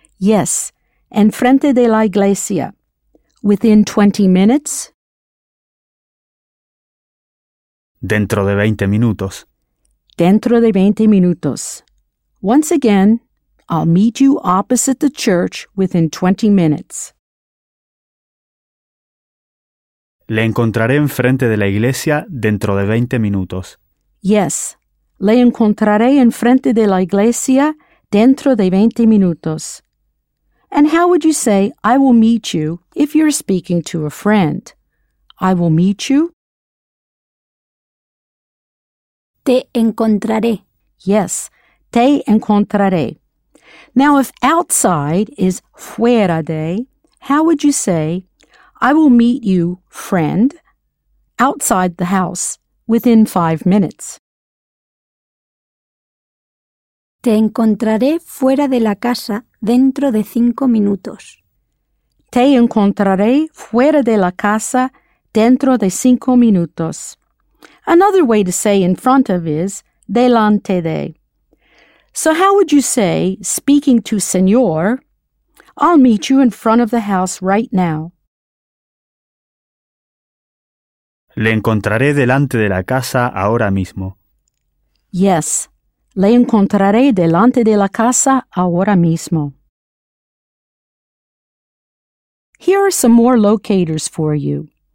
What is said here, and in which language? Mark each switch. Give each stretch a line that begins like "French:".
Spanish: Yes. Enfrente de la iglesia. Within 20 minutes? Dentro de 20 minutos. Dentro de 20 minutos.
English: Once again, I'll meet you opposite the church within 20 minutes.
Spanish: Le encontraré enfrente de la iglesia dentro de 20 minutos.
English: Yes.
Spanish: Le encontraré enfrente de la iglesia dentro de 20 minutos.
English: And how would you say, I will meet you if you're speaking to a friend? I will meet you.
Spanish: Te encontraré. Yes, te encontraré.
English: Now, if outside is fuera de, how would you say, I will meet you, friend, outside the house within 5 minutes?
Spanish: Te encontraré fuera de la casa dentro de 5 minutos. Te encontraré fuera de la casa dentro de 5 minutos.
English: Another way to say in front of is delante de. So how would you say, speaking to señor, I'll meet you in front of the house right now?
Spanish: Le encontraré delante de la casa ahora mismo. Yes, le encontraré delante de la casa ahora mismo.
English: Here are some more locators for you.